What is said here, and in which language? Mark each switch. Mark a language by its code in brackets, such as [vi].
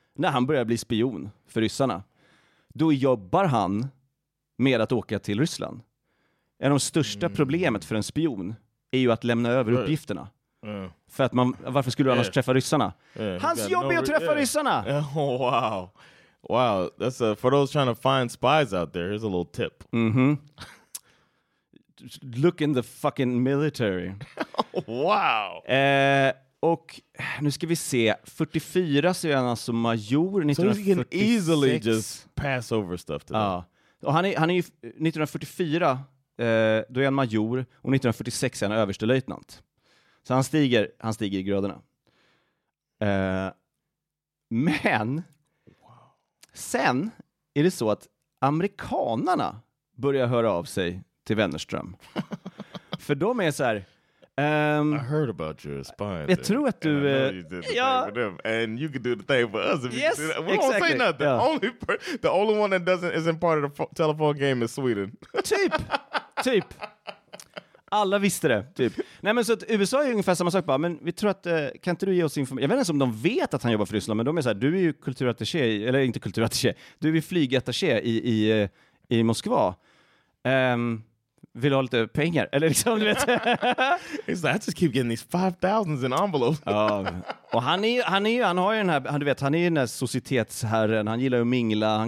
[sv] När han börjar bli spion för ryssarna, då jobbar han med att åka till Ryssland. En av de största problemet för en spion är ju att lämna över uppgifterna. För att varför skulle du annars träffa ryssarna? Hans jobb är att träffa ryssarna. [en] Wow. Wow, that's for those trying to find spies out there. Here's a little tip. Mm-hmm. Look in the fucking military. Wow. [sv] Och nu ska vi se, 44 så är han alltså major. [en] So 1946. He can easily just pass over stuff to them. [sv] Ja. Och han är ju 1944, då är han major, och 1946 är han överstelöjtnant. Så han stiger i gröderna. Men sen är det så att amerikanarna börjar höra av sig till Wennerström. För de är så här... [en] I heard about your spy. [sv] Jag tror att du [en] and you can do the thing for us. Yes, you we exactly. Won't say nothing. Yeah. The only one that isn't part of the telephone game is Sweden. [sv] Typ. Alla visste det, typ. Nej, men så att USA är ungefär samma sak, bara, men vi tror att kan inte du ge oss information? Jag vet inte om de vet att han jobbar för Ryssland, men de är så här, du är ju kulturattaché, eller inte kulturattaché. Du är flygattaché i Moskva. Vill ha lite pengar, eller liksom, du vet. [en] He's like, I just keep getting these 5,000s in envelopes. [sv] Ja. Och han är ju den här societetsherren. Han gillar ju att mingla.